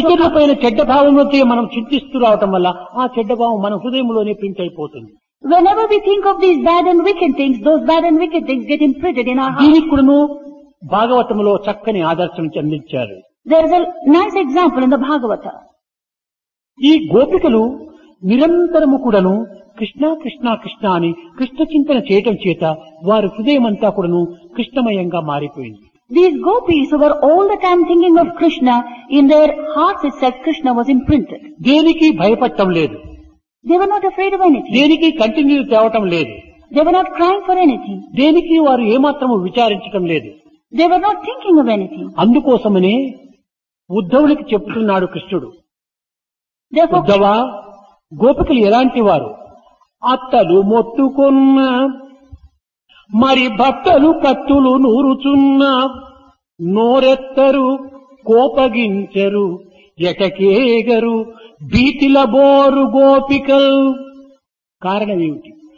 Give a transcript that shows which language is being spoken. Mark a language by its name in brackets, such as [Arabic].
[Telugu] ఇతరుల పైన చెడ్డ భావములతో మనం చింతిస్తూ రావటం వల్ల ఆ చెడ్డ భావం మన హృదయంలోనే ప్రింట్ అయిపోతుంది. [English] Whenever we think of these bad and wicked things, those bad and wicked things get imprinted in our [Telugu] hearts. భాగవతంలో చక్కని ఆదర్శం అందించారు. [English] There is a nice example in the Bhagavata. [Telugu] ఈ గోపికలు నిరంతరము కూడాను కృష్ణ కృష్ణ కృష్ణ అని కృష్ణ చింతన చేయటం చేత వారి హృదయం అంతా కూడాను కృష్ణమయంగా మారిపోయింది. [English] These gopis who were all the time thinking of Krishna, in their hearts it said Krishna was imprinted. [Telugu] దేనికి భయపడటం లేదు. [English] They were not afraid of anything. [Telugu] దేనికి కంటిన్యూ తేవటం లేదు. [English] They were not crying for anything. [Telugu] దేనికి వారు ఏమాత్రము విచారించటం లేదు. [English] They were not thinking of anything. [Telugu] అందుకోసమని ఉద్ధవునికి చెప్తున్నాడు కృష్ణుడు. ఉద్ధవ గోపికలు ఎలాంటి వారు? అత్తలు మొత్తుకున్నా మరి భక్తులు కత్తులు నూరుచున్నా నోరెత్తరు కోపగించరు ఎటకేగరు భీతిల బోరు గోపికలు. కారణమేమిటి?